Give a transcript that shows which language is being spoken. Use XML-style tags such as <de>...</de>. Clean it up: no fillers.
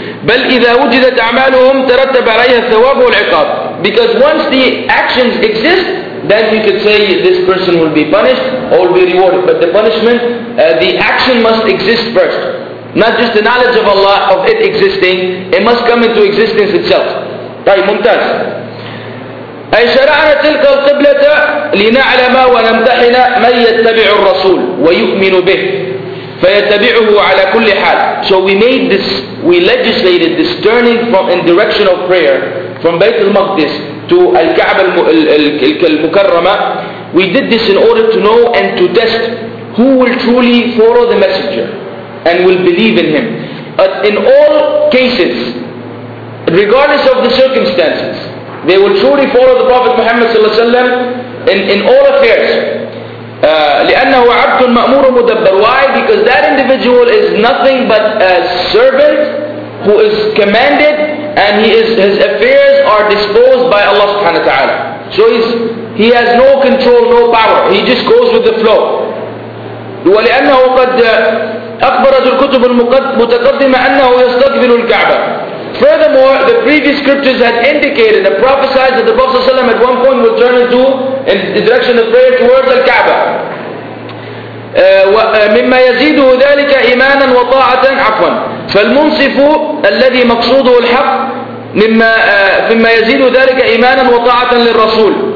<ar>بل إذا وجدت أعمالهم ترتب عليها الثواب والعقاب,</ar> <en>because once the actions exist, then you could say this person will be punished or will be rewarded. But the punishment, the action must exist first, not just the knowledge of Allah of it existing. It must come into existence itself.</en> <ar>طيب ممتاز. أي شرعنا تلك القبلة لنعلم ونمتحن من يتبع الرسول ويؤمن به فيتبعه على كل حال.</ar> <en>So we made this, we legislated this turning from in direction of prayer from Bayt al-Maqdis to al-Ka'ba al-Mukarrama. We did this in order to know and to test who will truly follow the messenger and will believe in him. But in all cases, regardless of the circumstances, they will truly follow the Prophet Muhammad sallallahu alaihi wasallam in all affairs.</en> <ar>لأنه عبد مأمور مدبر.</ar> <en>Why? Because that individual is nothing but a servant who is commanded, and his affairs are disposed by Allah subhanahu wa ta'ala. So he has no control, no power. He just goes with the flow.</en> <ar>ولأنه قد أخبرت الكتب المتقدمة أنه يستقبل الكعبة.</ar> <en>Furthermore, the previous scriptures had indicated and prophesied that the Prophet ﷺ at one point would turn into in the direction of prayer towards the Kaaba.</en> <ar>مما يزيده ذلك إيمانا وطاعة عفوا. فالمنصف الذي مقصوده الحق مما يزيد ذلك إيمانا وطاعة للرسول.</ar>